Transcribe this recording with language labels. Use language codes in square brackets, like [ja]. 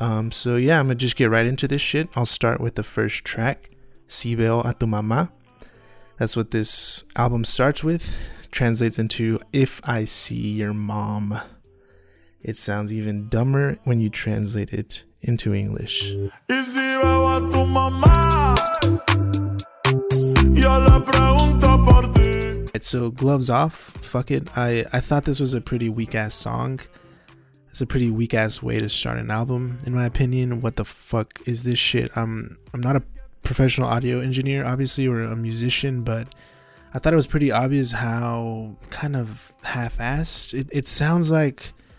[en] So yeah, I'm gonna just get right into this shit. I'll start with the first track, Si Veo a Tu Mama. That's what this album starts with. Translates into If I See Your Mom. It sounds even dumber when you translate it into English. [es] Y si veo a tu mamá, yo le pregunto por ti. [en] Right, so gloves off, fuck it. I thought this was a pretty weak ass song. It's a pretty weak ass way to start an album, in my opinion. What the fuck is this shit? I'm not a professional audio engineer, obviously, or a musician, but I thought it was pretty obvious how kind of half-assed it sounds like.